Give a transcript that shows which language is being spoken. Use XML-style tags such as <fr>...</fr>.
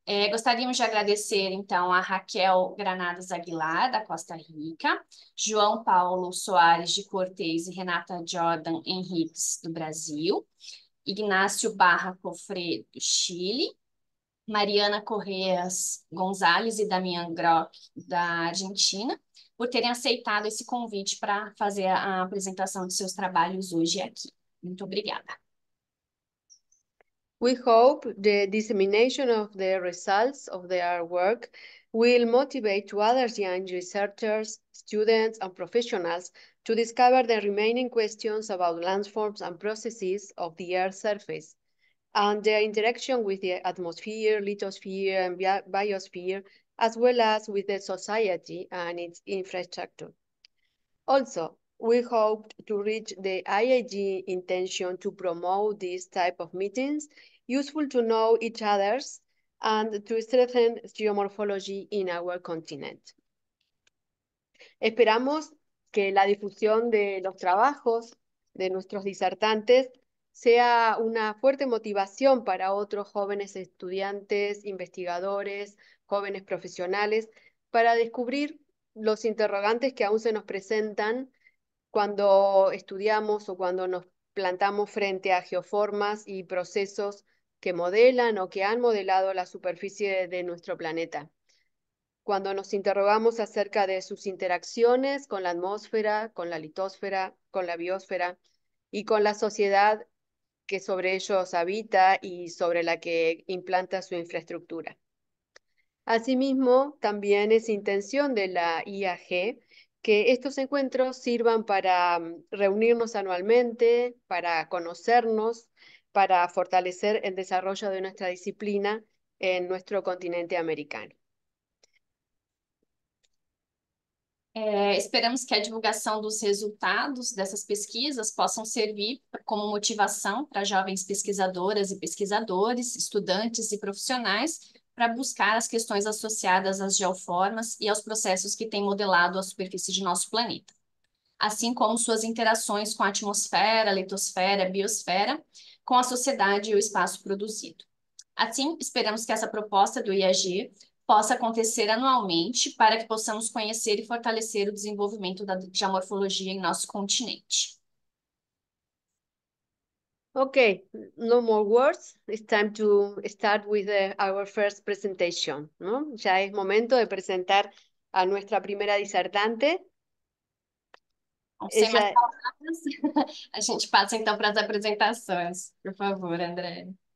<pt>Gostaríamos de agradecer, então, a Raquel Granadas Aguilar, da Costa Rica, João Paulo Soares de Cortez e Renata Jordan Henriques, do Brasil, Ignacio Barra Cofré, do Chile, Mariana Correas Gonzalez e Damian Grock, da Argentina, por terem aceitado esse convite para fazer a apresentação de seus trabalhos hoje aqui. Muito obrigada.</pt> <en>We hope the dissemination of the results of their work will motivate to other young researchers, students, and professionals to discover the remaining questions about landforms and processes of the Earth's surface and their interaction with the atmosphere, lithosphere, and biosphere, as well as with the society and its infrastructure. Also, we hope to reach the IAG intention to promote this type of meetings useful to know each other's and to strengthen geomorphology in our continent.</en> <es>Esperamos que la difusión de los trabajos de nuestros disertantes sea una fuerte motivación para otros jóvenes estudiantes, investigadores, jóvenes profesionales, para descubrir los interrogantes que aún se nos presentan cuando estudiamos o cuando nos plantamos frente a geoformas y procesos que modelan o que han modelado la superficie de nuestro planeta. Cuando nos interrogamos acerca de sus interacciones con la atmósfera, con la litosfera, con la biosfera y con la sociedad que sobre ellos habita y sobre la que implanta su infraestructura. Asimismo, también es intención de la IAG que estos encuentros sirvan para reunirnos anualmente, para conocernos, para fortalecer el desarrollo de nuestra disciplina en nuestro continente americano.</es> <pt>Esperamos que a divulgação dos resultados dessas pesquisas possam servir como motivação para jovens pesquisadoras e pesquisadores, estudantes e profissionais para buscar as questões associadas às geoformas e aos processos que têm modelado a superfície de nosso planeta, assim como suas interações com a atmosfera, a litosfera, a biosfera, com a sociedade e o espaço produzido. Assim, esperamos que essa proposta do IAG possa acontecer anualmente para que possamos conhecer e fortalecer o desenvolvimento da geomorfologia em nosso continente.</pt> <en>Ok, no more words. It's time to start with our first presentation.</en> <es>¿No? Ya es momento de presentar a nuestra primera disertante.</es> <pt>Sem mais palavras, a gente passa então para as apresentações, por favor, André.</pt>